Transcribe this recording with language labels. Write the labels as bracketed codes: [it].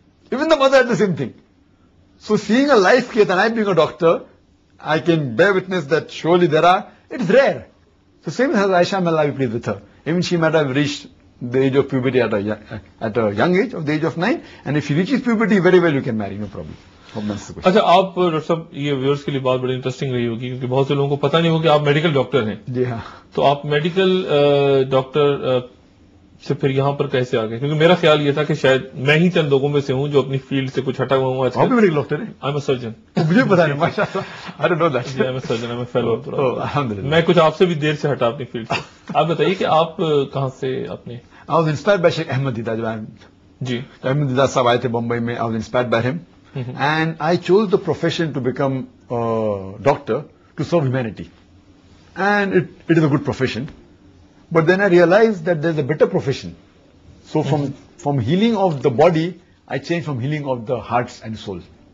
[en] Even the mother had the same thing. So seeing a life case, and I being a doctor, I can bear witness that surely there are, it's rare. So same as Aisha, may Allah be pleased with her. Even she might have reached the age of puberty at a young age, of the age of 9, and if she reaches puberty, very well you can marry, no problem. [hi] अच्छा आप doctor साहब ये viewers के लिए बात बड़ी interesting रही होगी क्योंकि बहुत से लोगों को पता नहीं होगा कि आप मेडिकल डॉक्टर हैं जी हाँ तो आप मेडिकल डॉक्टर से फिर यहाँ पर कैसे आ गए क्योंकि मेरा ख्याल ये था कि शायद मैं ही चंद लोगों में से हूँ जो अपनी फील्ड से कुछ हटा हुआ हूँ आप भी मेडिकल डॉक्टर हैं [en] I am a surgeon [hi] मुझे पता नहीं [en] माशाल्लाह I don't know that I am a surgeon I am a fellow [ar] अल्हम्दुलिल्लाह [hi] मैं कुछ आपसे भी देर से हटा अपनी फील्ड से आप बताइए कि आप कहाँ से अपने [en] I was inspired by Sheikh Ahmed Deedat [hi] जी अहमद दीदा साहब आए थे बम्बई में [en] I was inspired by him Mm-hmm. And I chose the profession to become a doctor to serve humanity. And it is a good profession. But then I realized that there's a better profession. So from healing of the body, I changed from healing of the hearts and souls.